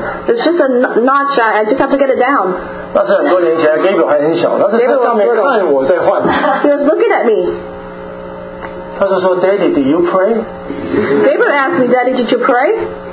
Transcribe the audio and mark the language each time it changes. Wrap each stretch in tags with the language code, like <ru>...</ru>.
<en>It's just a notch, I just have to get it down.</en> <zh>那是很多年前，Gabriel还很小，那是在上面看我在换。He</zh> <en>was looking at me.</en> <zh>他是说,</zh> <en>Daddy, do you pray? Gabriel asked me, Daddy, did you pray?</en>